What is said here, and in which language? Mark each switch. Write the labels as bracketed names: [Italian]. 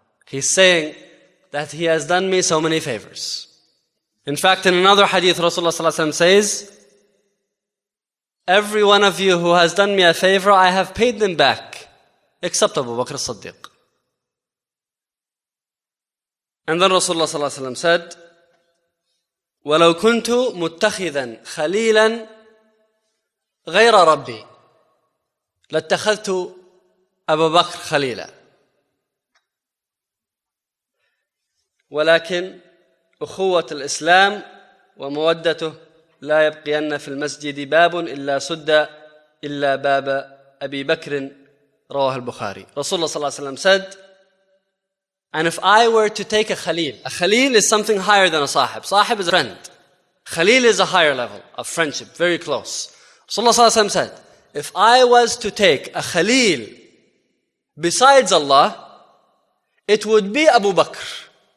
[English] He's saying that he has done me so many favors. In fact, in another hadith, Rasulullah sallallahu alayhi wa sallam says, every one of you who has done me a favor, I have paid them back, except Abu Bakr as-Siddiq. And then Rasulullah sallallahu alayhi wa sallam said, [Arabic] وَلَوْ كُنْتُ مُتَّخِذًا خَلِيلًا غَيْرَ رَبِّي لَاتَّخَذْتُ أبو بكر خليلا ولكن أخوة الإسلام ومودته لا يبقين في المسجد باب إلا سد إلا باب أبي بكر رواه البخاري. [English] رسول الله صلى الله عليه وسلم said and if I were to take a khalil is something higher than a sahib. Sahib is a friend. Khalil is a higher level of friendship, very close. رسول الله صلى الله عليه وسلم said if I was to take a khalil besides Allah, it would be Abu Bakr.